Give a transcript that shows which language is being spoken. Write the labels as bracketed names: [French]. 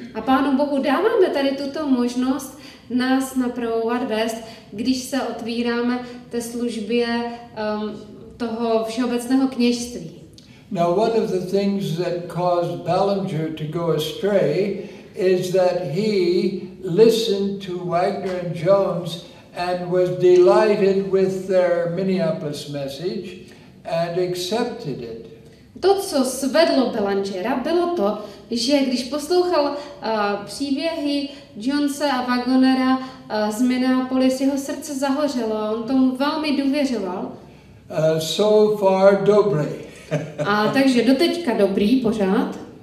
[Czech] A Pánu Bohu dáváme tady tuto možnost nás napravovat, vést, když se otvíráme té službě toho všeobecného kněžství. [English] Now one of the things that caused Belanger to go astray is that he listened to Wagner and Jones and was delighted with their Minneapolis message and accepted it. [Czech] To, co svedlo Belangera, bylo to, že když poslouchal příběhy Jonesa a Wagnera z Minneapolis, jeho srdce zahořelo, on tomu velmi důvěřoval. [English] So far [Czech] dobrý. A takže doteďka dobrý pořád.